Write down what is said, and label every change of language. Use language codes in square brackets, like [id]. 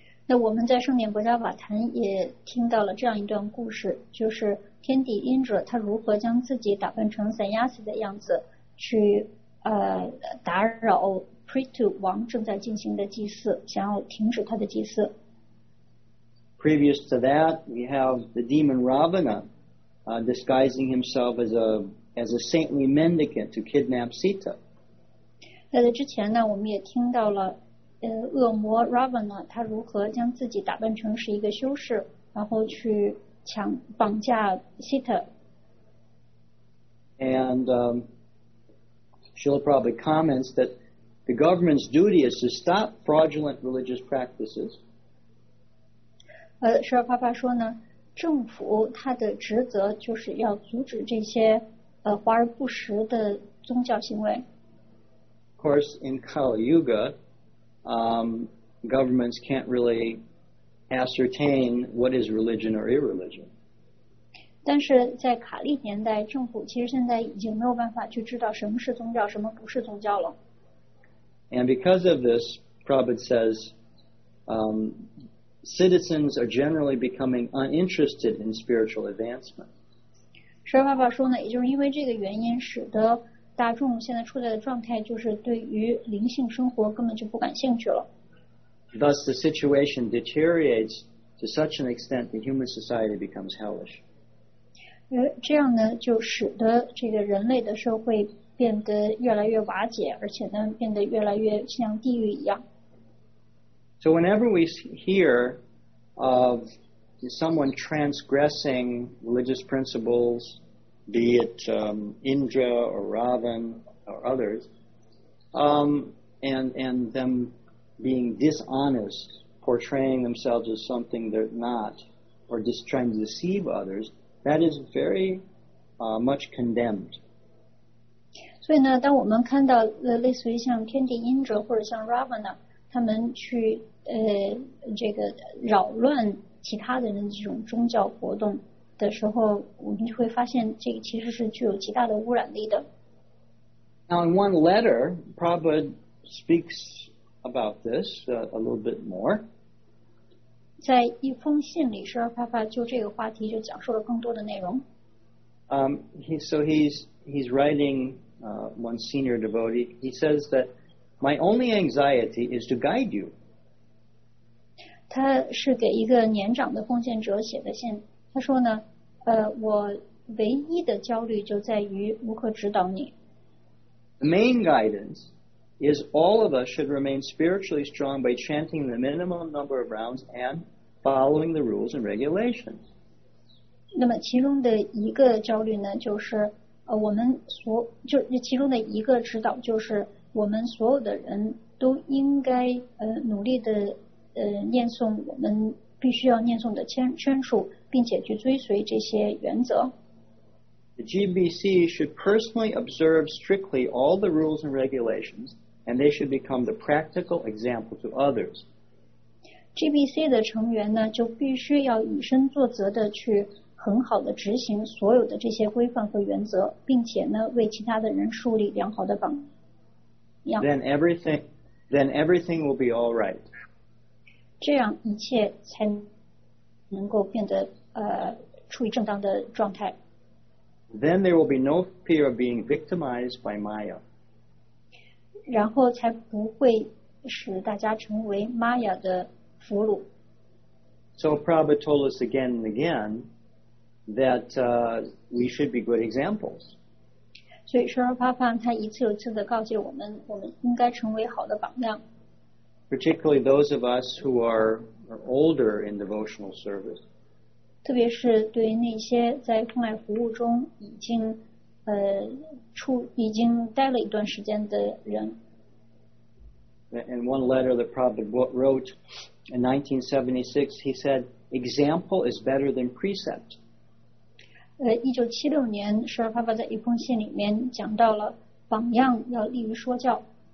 [zh] 那我们在圣典薄伽瓦坛也听到了这样一段故事，就是天帝因者他如何将自己打扮成三亚斯的样子去打扰 Prithu 王正在进行的祭祀，想要停止他的祭祀。 [en] Previous to that, we have the demon Ravana disguising himself as a saintly mendicant to kidnap Sita. [zh] 那在之前呢，我们也听到了，恶魔 Ravana 他如何将自己打扮成是一个修士，然后去绑架 Sita. [en] And Srila Prabhupada comments that the government's duty is to stop fraudulent religious practices. [zh] Srila Prabhupada 说呢，政府他的职责就是要阻止这些华而不实的宗教行为。 [en] Of course, in Kali Yuga, governments can't really ascertain what is religion or irreligion. [zh] 但是在卡利年代，政府其实现在已经没有办法去知道什么是宗教，什么不是宗教了。 [en] And because of this, Prabhupada says, citizens are generally becoming uninterested in spiritual advancement. [zh] 舍尔法巴说呢，也就是因为这个原因，使得大众现在处在的状态就是对于灵性生活根本就不感兴趣了。 [en] Thus the situation deteriorates to such an extent that human society becomes hellish. [zh] 这样呢，就使得这个人类的社会变得越来越瓦解，而且呢，变得越来越像地狱一样。 [en] So whenever we hear of someone transgressing religious principles, be it Indra or Ravan or others, and them being dishonest, portraying themselves as something they're not, or just trying to deceive others, that is very much condemned. [zh] 所以呢，当我们看到类似于像天帝因者或者像 Ravana 他们去这个扰乱其他的人这种宗教活动的时候，我们就会发现这个其实是具有极大的污染力的。 [en] Now in one letter, Prabhupada speaks about this a little bit more. [zh] 在一封信里，释迦牟尼就这个话题就讲述了更多的内容。 [en] He's writing one senior devotee. He says that my only anxiety is to guide you. [zh] 他是给一个年长的奉献者写的信。他说呢，我唯一的焦虑就在于如何指导你。 [en] The main guidance is all of us should remain spiritually strong by chanting the minimum number of rounds and following the rules and regulations. [zh] 那么其中的一个焦虑呢，就是我们所就其中的一个指导就是我们所有的人都应该努力的念诵我们必须要念诵的圈数，并且去追随这些原则。 [en] The GBC should personally observe strictly all the rules and regulations, and they should become the practical example to others. [zh] GBC 的成员呢，就必须要以身作则的去很好的执行所有的这些规范和原则，并且呢，为其他的人树立良好的榜样。 [en] Then everything will be all right. [zh] 这样一切才能够变得处于正当的状态。 [en] Then there will be no fear of being victimized by Maya. [zh] 然后才不会使大家成为 Maya 的俘虏。 [en] So Prabhupada told us again and again that we should be good examples. [zh] 所以说释迦牟尼他一次又一次地告诫我们，我们应该成为好的榜样。 [en] Particularly those of us who are older in devotional service. [zh] 特别是对那些在奉爱服务中已经待了一段时间的人。 [en] In one letter that Prabhupada wrote in 1976, he said, "Example is better than precept." [zh] 1976年，释迦牟尼在一封信里面讲到了榜样要利于说教。